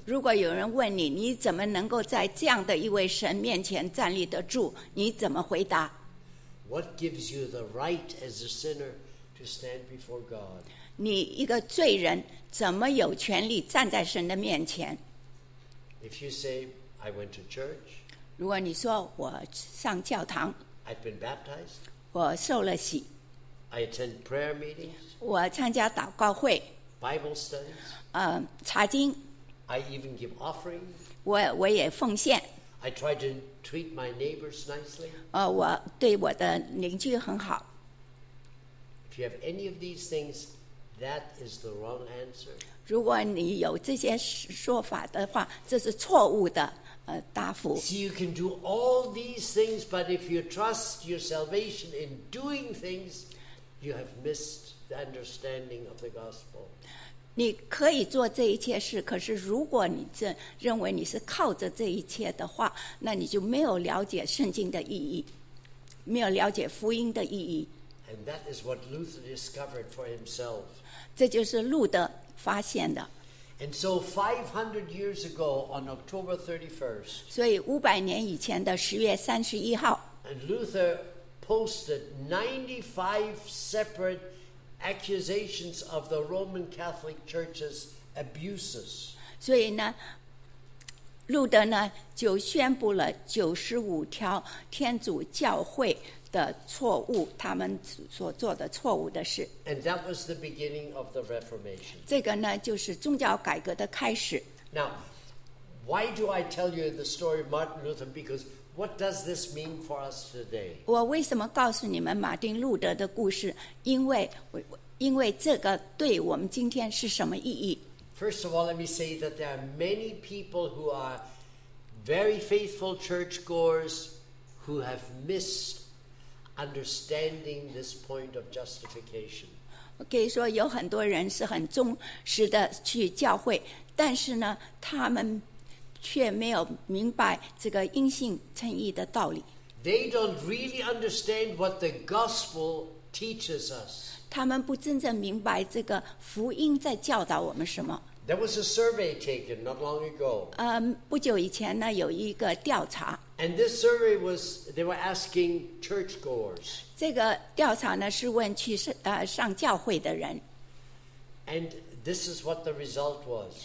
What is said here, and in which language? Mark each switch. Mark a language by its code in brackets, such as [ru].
[zh] 如果有人问你，你怎么能够在这样的一位神面前站立得住？你怎么回答？ [en] What gives you the right as a sinner to stand before God? [zh] 你一个罪人怎么有权利站在神的面前？ [en] If you say, I went to church. [zh] 如果你说我上教堂。 [en] I've been baptized. [zh] 我受了洗。 [en] I attend prayer meetings. [zh] 我参加祷告会。 [en] Bible studies. [zh] 查经。 [en] I even give offerings. [zh] 我也奉献。 [en] I try to treat my neighbors nicely. [zh] 我对我的邻居很好。 [en] If you have any of these things, that is the wrong answer. [zh] 如果你有这些说法的话，这是错误的。 [en] See, you can do all these things, but if you trust your salvation in doing things, you have missed the understanding of the gospel. [zh] 你可以做这一切事，可是如果你这认为你是靠着这一切的话，那你就没有了解圣经的意义，没有了解福音的意义。 [en] And that is what Luther discovered for himself. [zh] 这就是路德发现的。 [en] And so 500 years ago on October 31st, [zh] 所以500年以前的10月31号 [en] and Luther posted 95 separate accusations of the Roman Catholic Church's abuses. [zh] 所以呢路德呢就宣布了95条天主教会的错误，他们所做的错误的事。 [en] And that was the beginning of the Reformation. [zh] 这个呢，就是宗教改革的开始。 [en] Now, why do I tell you the story of Martin Luther? Because what does this mean for us today? [zh] 我为什么告诉你们马丁路德的故事？因为这个对我们今天是什么意义？ [en] First of all, let me say that there are many people who are very faithful churchgoers who have missed. Understanding this point of justification. [zh] 可以说有很多人是很忠实的去教会，但是呢，他们却没有明白这个因信称义的道理。 [en] They don't really understand what the gospel teaches us. [zh] 他们不真正明白这个福音在教导我们什么。 [en] There was a survey taken not long ago. [zh] 不久以前呢，有一个调查。 [en] And this survey was, they were asking churchgoers. [zh] 这个调查呢，是问去上教会的人。 [en] And this is what the result was.